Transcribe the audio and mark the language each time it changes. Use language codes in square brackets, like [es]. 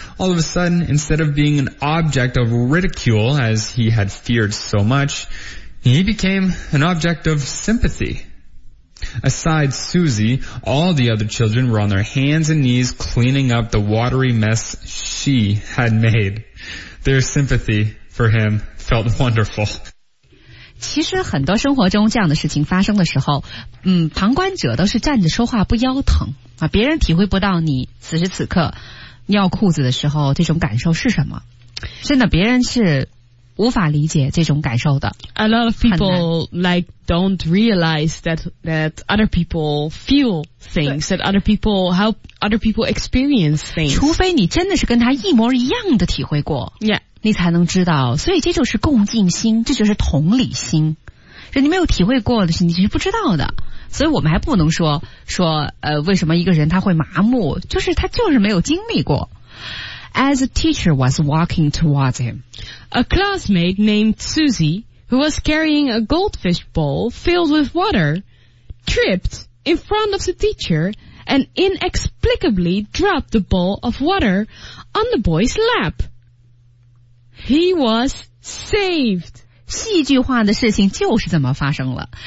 [en] All of a sudden, instead of being an object of ridicule, as he had feared so much, he became an object of sympathy. Aside Susie, all the other children were on their hands and knees cleaning up the watery mess she had made. Their sympathy for him felt wonderful. [zh] 其实很多生活中这样的事情发生的时候，旁观者都是站着说话不腰疼啊，别人体会不到你此时此刻尿裤子的时候这种感受是什么，真的别人是无法理解这种感受的。 [en] A lot of people like don't realize that other people feel things, that other people help other people experience things. [zh] 除非你真的是跟他一模一样的体会过。 [en] Yeah. [zh] 你才能知道。所以这就是共敬心，这就是同理心。你没有体会过的是你是不知道的。所以我们还不能说为什么一个人他会麻木，就是他就是没有经历过。 [en] As a teacher was walking towards him, a classmate named Susie, who was carrying a goldfish bowl filled with water, tripped in front of the teacher and inexplicably dropped the bowl of water on the boy's lap. He was saved. [zh] 戏剧化的事情就是这么发生了。